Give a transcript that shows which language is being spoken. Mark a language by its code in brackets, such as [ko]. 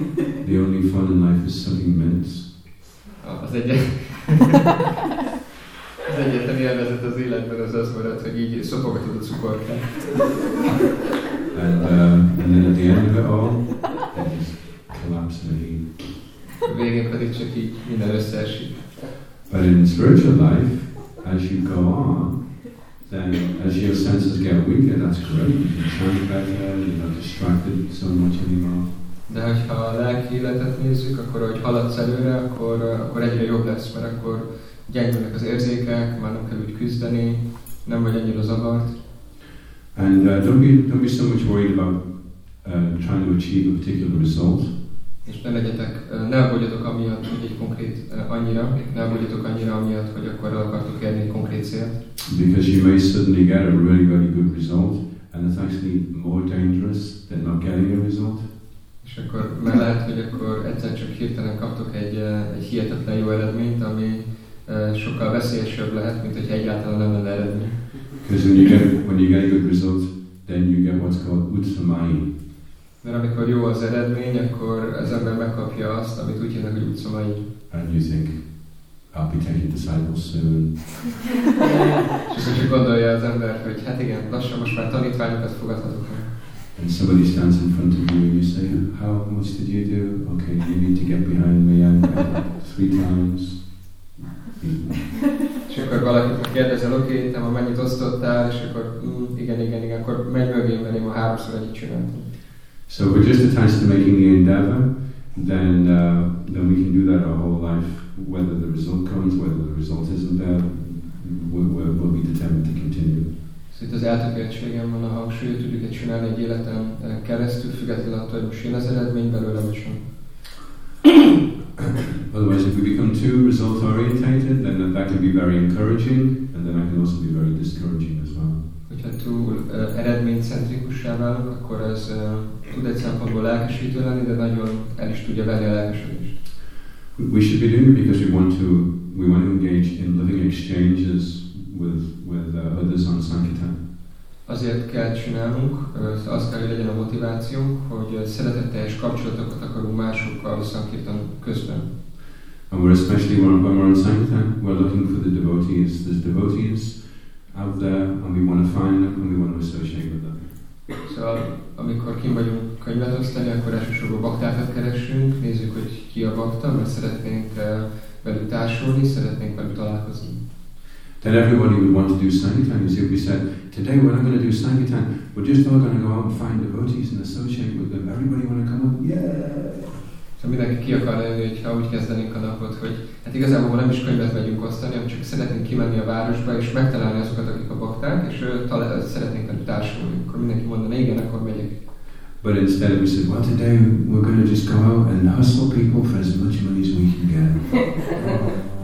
[en] The only fun in life is sucking mints. [hu] Az egyet. Az egyetlen élvezet az életben az az volt, hogy így szopogatod a cukorkát. [en] And then at the end of it all, it just collapses in a heap. [hu] Végén pedig csak így minden összeesik. [en] But in spiritual life, as you go on, then as your senses get weaker, that's great. You can sound better, you're not distracted so much anymore. [hu] De hogyha a lelki életet nézzük, akkor ahogy haladsz előre, akkor egyre jobb lesz, mert akkor gyengülnek az érzékek, már nem kell úgy küzdeni, nem vagy annyira zavart. [en] And don't be so much worried about trying to achieve a particular result. [hu] És ne legyetek, ne aggódjatok amiatt, hogy egy konkrét annyira, ne aggódjatok annyira amiatt, hogy akkor el akartok érni egy konkrét célt. [en] Because you may suddenly get a really, really good result, and it's actually more dangerous than not getting a result. [hu] És akkor meg lehet, hogy akkor egyszer csak hirtelen kaptok egy hihetetlen jó eredményt, ami sokkal veszélyesebb lehet, mint hogyha egyáltalán nem lenne eredmény. [en] Because when you get a good result, then you get what's called utsamai. [hu] Mert amikor jó az eredmény, akkor az ember megkapja azt, amit úgy hívnak, hogy utsamai. [en] And you think, I'll be taking disciples soon. [hu] És akkor csak gondolja az ember, hogy hát igen, lassan most már tanítványokat fogadhatok el. [en] And somebody stands in front of you and you say, how much did you do? Okay, you need to get behind me and three times. [hu] És akkor valakit kérdezel, oké, te ma mennyit osztottál, és akkor igen, akkor menj mögé, mert én ma háromszor egyet csináltam. [en] So we're just attached to making the endeavor, then we can do that our whole life, whether the result comes, whether the result isn't there, we'll be determined to continue. [hu] So itt az eltökéltségem van a hangsúly, hogy tudjuk-e csinálni egy életen keresztül, függetlenül attól, hogy most jön az eredmény belőle, vagy sem. [en] Otherwise, if we become too result orientated, then that can be very encouraging, and then I can also be very discouraging as well. [hu] Hogyha túl eredménycentrikussá válunk, akkor ez tud egy szempontból lelkesítő lenni, de nagyon el is tudja venni a lelkesedést. [en] We should be doing it because we want to engage in living exchanges with others on Sankirtan. [hu] Azért kell csinálnunk, az kell, hogy legyen a motivációnk, hogy szeretetteljes kapcsolatokat akarunk másokkal a Sankirtan közben. [en] And we're especially when we're on Sankirtan, we're looking for the devotees. There's devotees out there, and we want to find them, and we want to associate with them. [hu] So, amikor kim vagyunk könyvet osztani, akkor elsősorban baktákat keresünk, nézzük, hogy ki a bakta, mert szeretnénk velük társulni, szeretnénk velük találkozni. [en] Then everybody would want to do Sankirtan. You see, we said, today we're not going to do Sankirtan. We're just all going to go out and find devotees and associate with them. Everybody want to come up? Yeah! [hu] So mindenki ki akar lenni, hogyha úgy kezdenénk a napot, hogy hát igazából nem is könyvet megyünk osztani, hanem csak szeretnénk kimenni a városba, és megtalálni azokat, akik a bakták, és szeretnénk velük társulni. Akkor mindenki mondaná, igen, akkor megyek. [en] But instead we said, well, today we're going to just go out and hustle people for as much money as we can get.